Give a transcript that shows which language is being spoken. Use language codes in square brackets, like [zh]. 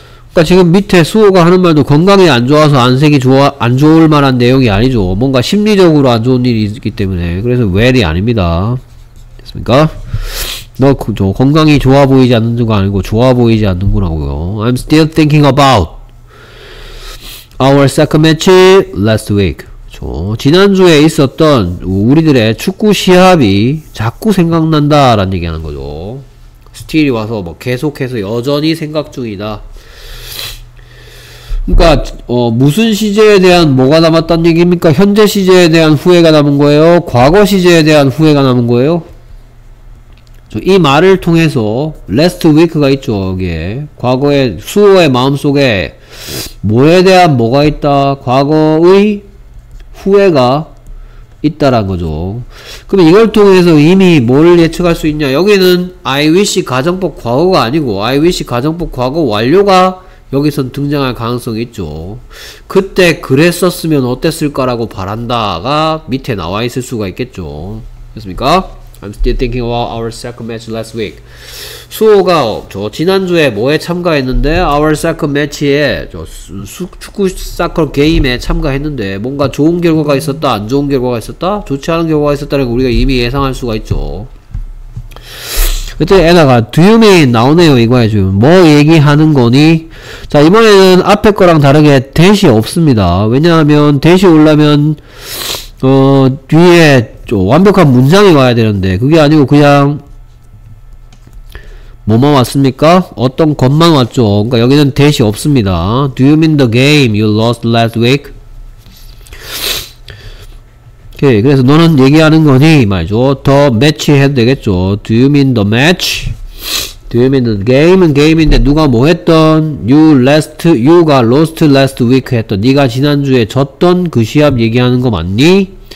[ko] 그러니까 지금 밑에 수호가 하는 말도 건강이 안 좋아서 안색이 좋아 안 좋을 만한 내용이 아니죠. 뭔가 심리적으로 안 좋은 일이 있기 때문에 그래서 well이 아닙니다. 됐습니까? 너 건강이 좋아 보이지 않는 거 아니고 좋아 보이지 않는구나고요. [en] I'm still thinking about our second match last week. [ko] 지난주에 있었던 우리들의 축구 시합이 자꾸 생각난다 라는 얘기하는 거죠. 스틸이 와서 뭐 계속해서 여전히 생각 중이다. 그러니까 무슨 시제에 대한 뭐가 남았다는 얘기입니까? 현재 시제에 대한 후회가 남은 거예요? 과거 시제에 대한 후회가 남은 거예요? 이 말을 통해서 last week가 있죠. 여기에 과거의 수호의 마음속에 뭐에 대한 뭐가 있다? 과거의 후회가 있다라는 거죠. 그럼 이걸 통해서 이미 뭘 예측할 수 있냐? 여기는 I wish 가정법 과거가 아니고 I wish 가정법 과거 완료가 여기선 등장할 가능성이 있죠. 그때 그랬었으면 어땠을까라고 바란다가 밑에 나와 있을 수가 있겠죠. 됐습니까? [en] I'm still thinking about our second match last week. [ko] 수호가 지난주에 뭐에 참가했는데 our second match에 축구 사커 게임에 참가했는데 뭔가 좋은 결과가 있었다 안 좋은 결과가 있었다 좋지 않은 결과가 있었다는 걸 우리가 이미 예상할 수가 있죠. 그때 에나가 [en] do you mean [ko] 나오네요. 이거에 지금 뭐 얘기하는 거니. 자 이번에는 앞에 거랑 다르게 대시 없습니다. 왜냐하면 대시 오려면 뒤에 완벽한 문장이 와야 되는데 그게 아니고 그냥 뭐만 왔습니까? 어떤 것만 왔죠. 그러니까 여기는 대시 없습니다. [en] Do you mean the game you lost last week? [ko] 오케이. 그래서 너는 얘기하는 거니 말이죠. The match 해도 되겠죠. [en] Do you mean the match? [ko] Do you mean the game은 게임인데 누가 뭐 했던 you가 lost last week 했던 네가 지난주에 졌던 그 시합 얘기하는 거 맞니?